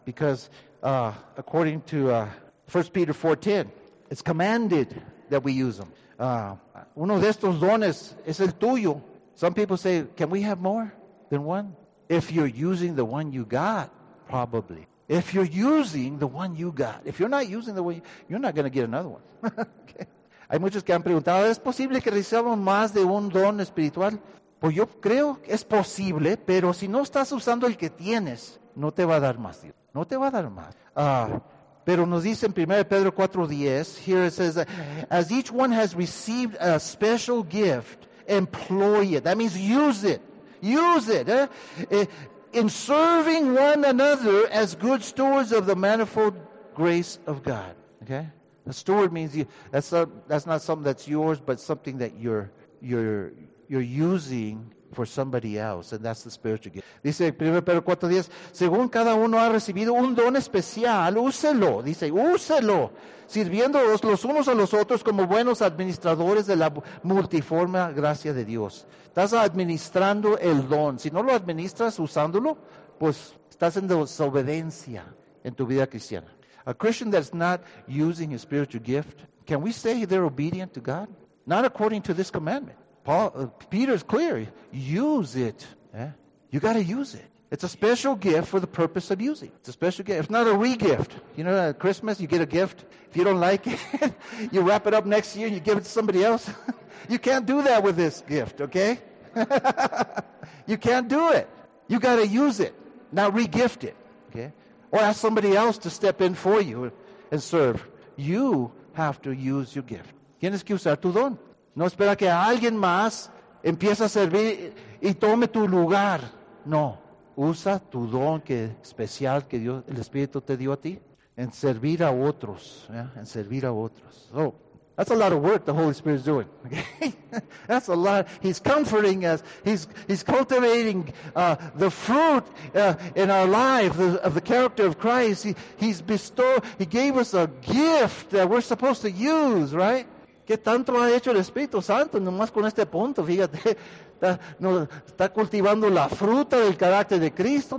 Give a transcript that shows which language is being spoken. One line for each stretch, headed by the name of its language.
English: Because according to 1 Peter 4:10, it's commanded that we use them.
Spanish: Uno de estos dones es el tuyo.
English: Some people say, can we have more than one? If you're using the one you got, probably. If you're using the one you got. If you're not using the one, you're not going to get another one.
Spanish: Hay muchos que han preguntado, ¿es posible que recibamos más de un don espiritual? Pues yo creo que es posible, pero si no estás usando el que tienes, no te va a dar más, Dios. No te va a dar más. Pero nos dice en 1 Pedro 4:10,
English: here it says, as each one has received a special gift, employ it. That means use it. Use it. In serving one another as good stewards of the manifold grace of God. Okay? A steward means that's not something that's yours, but something that you're using for somebody else. And that's the spiritual gift.
Spanish: Dice 1 Pedro 4:10, según cada uno ha recibido un don especial, úselo. Dice, úselo. Sirviéndolos los unos a los otros como buenos administradores de la multiforme gracia de Dios. Estás administrando el don. Si no lo administras usándolo, pues estás en desobediencia en tu vida cristiana.
English: A Christian that's not using his spiritual gift, can we say they're obedient to God? Not according to this commandment. Peter's clear. Use it. Yeah? You got to use it. It's a special gift for the purpose of using. It's a special gift. It's not a re-gift. You know, at Christmas, you get a gift. If you don't like it, you wrap it up next year and you give it to somebody else. You can't do that with this gift, okay? You can't do it. You got to use it, not re-gift it, okay? Or ask somebody else to step in for you and serve. You have to use your gift.
Spanish: Tienes que usar tu don. No espera que alguien más empiece a servir y tome tu lugar. No. Usa tu don que especial que Dios, el Espíritu te dio a ti en servir a otros. Yeah? En servir a otros.
English: So, that's a lot of work the Holy Spirit is doing. Okay? That's a lot. He's comforting us. He's cultivating the fruit in our life of the character of Christ. He gave us a gift that we're supposed to use, right?
Spanish: ¿Qué tanto ha hecho el Espíritu Santo? Nomás con este punto, fíjate. Está cultivando la fruta del carácter de Cristo.